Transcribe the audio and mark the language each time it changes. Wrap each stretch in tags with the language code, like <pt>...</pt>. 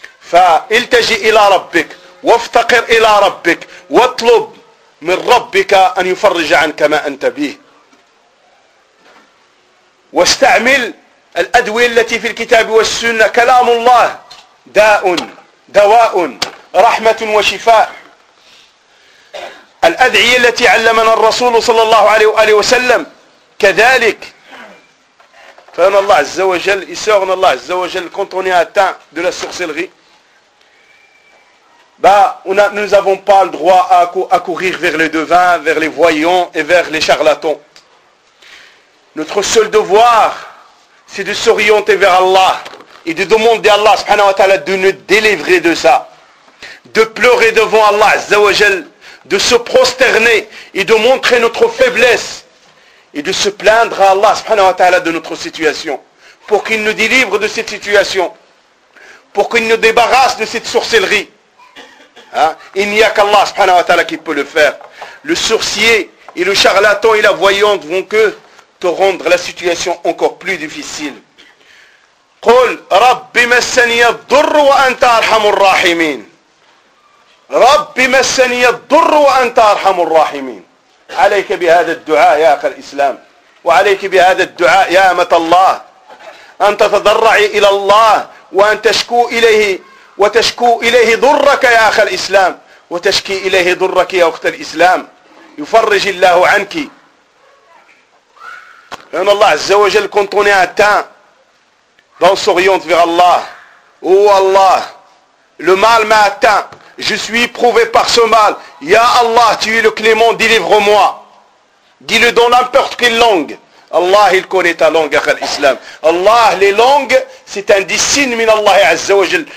<ar>فالتجئ الى ربك وافتقر الى ربك واطلب من ربك ان يفرج عنك ما انت به، واستعمل الأدوية التي في الكتاب والسنة، كلام الله داء دواء رحمة وشفاء. الأدعية التي علمنا الرسول صلى الله عليه وسلم كذلك. فإن الله عز وجل</ar> <fr>يسوغنا الله عز وجل quand on est atteint de la sorcellerie nous n'avons pas le droit à courir vers les devins, vers les voyants et vers les charlatans. Notre seul devoir, c'est de s'orienter vers Allah et de demander à Allah subhanahu wa ta'ala de nous délivrer de ça. De pleurer devant Allah azza wa jal de se prosterner et de montrer notre faiblesse et de se plaindre à Allah subhanahu wa ta'ala de notre situation pour qu'il nous délivre de cette situation, pour qu'il nous débarrasse de cette sorcellerie. Hein? Il n'y a qu'Allah subhanahu wa ta'ala qui peut le faire. Le sorcier et le charlatan et la voyante vont que te rendre la situation encore plus difficile.</fr> <ar>قل ربي مسني الضر وانت ارحم الراحمين ربي مسني الضر وانت ارحم الراحمين عليك بهذا الدعاء يا اخي الاسلام وعليك بهذا الدعاء يا امة الله ان تتضرع الى الله وان تشكو اليه وتشكو اليه ضرك يا اخي الاسلام وتشكي اليه ضرك يا اخت الاسلام يفرج الله عنك ان الله عز وجل كنت نعتا</ar> <fr>on s'oriente vers Allah. Oh Allah, le mal m'a atteint. Je suis éprouvé par ce mal. Ya Allah, tu es le clément, délivre-moi. Dis-le dans n'importe quelle langue. Allah, il connaît ta langue,</fr> <ar>akhal islam.</ar> <fr>Allah, les langues, c'est un signe min Allah azza wa jal.</fr>